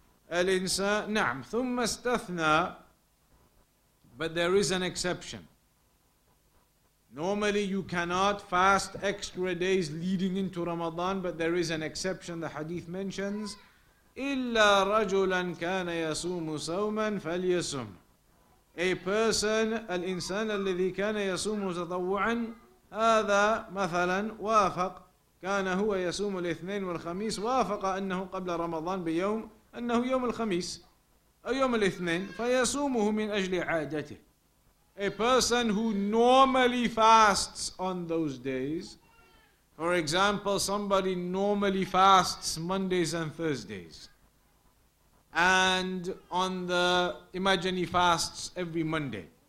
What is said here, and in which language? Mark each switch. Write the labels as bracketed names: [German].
[Arabic] الإنسان نعم ثم استثنى. [English] But there is an exception. Normally you cannot fast extra days leading into Ramadan, but there is an exception the hadith mentions. [Arabic] إِلَّا رَجُلًا كَانَ يَصُومُ صَوْمًا فَلْيَصُمْ. [English] A person, [Arabic] الإنسان الذي كان يصوم تطوعًا, هذا مثلا وافق كان هو يصوم الاثنين والخميس وافق أنه قبل رمضان بيوم أنه يوم الخميس أو يوم الاثنين فيصومه من أجل عادته. [English] A person who normally fasts on those days, for example, somebody normally fasts Mondays and Thursdays, and imagine he fasts every Monday.